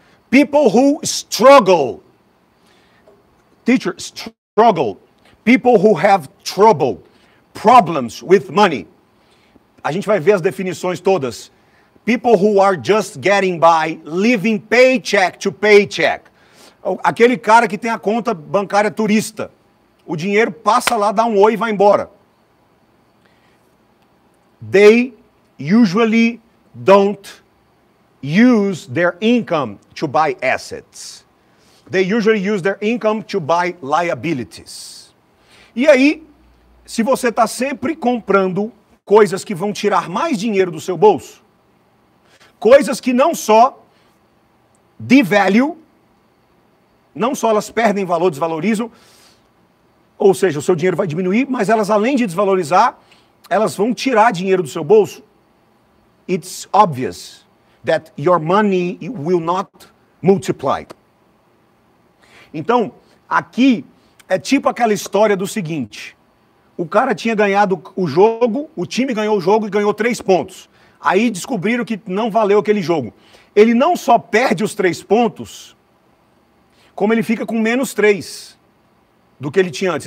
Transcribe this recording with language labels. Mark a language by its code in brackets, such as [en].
[en] People who struggle, teachers struggle, people who have trouble, problems with money. [pt] A gente vai ver as definições todas. [en] People who are just getting by, living paycheck to paycheck. [pt] Aquele cara que tem a conta bancária turista. O dinheiro passa lá, dá um oi e vai embora. [en] They usually don't use their income to buy assets. They usually use their income to buy liabilities. [pt] E aí, se você está sempre comprando coisas que vão tirar mais dinheiro do seu bolso, coisas que não só devalue, não só elas perdem valor, desvalorizam, ou seja, o seu dinheiro vai diminuir, mas elas, além de desvalorizar, elas vão tirar dinheiro do seu bolso. [en] It's obvious that your money will not multiply. [pt] Então, aqui é tipo aquela história do seguinte. O cara tinha ganhado o jogo, o time ganhou o jogo e ganhou 3 pontos. Aí descobriram que não valeu aquele jogo. Ele não só perde os 3 pontos, como ele fica com -3 do que ele tinha antes.